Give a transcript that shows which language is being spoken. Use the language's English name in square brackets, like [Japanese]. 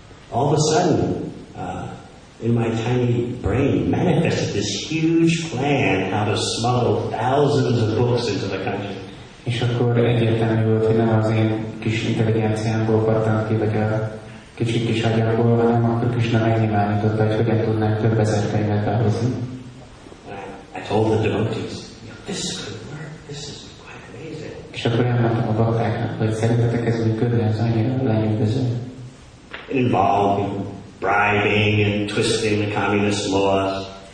[English] All of a sudden, in my tiny brain, manifested this huge plan how to smuggle thousands of books into the country. [Hungarian] És akkor egyértelmű volt, hogy nem az én kis intelligenciámból pattant ki, vagy a kicsit kis agyamból, hanem akkor Krishna megnyilvánította, hogy hogyan tudnánk több ezer könyvet behozni. [English] I told the devotees, this is good work, this is quite amazing. [Hungarian] És akkor elmondtam a baktáknak, hogy szerintetek ez működni, ez annyira lenyűgöző. [English] It involved bribing and twisting the communist laws.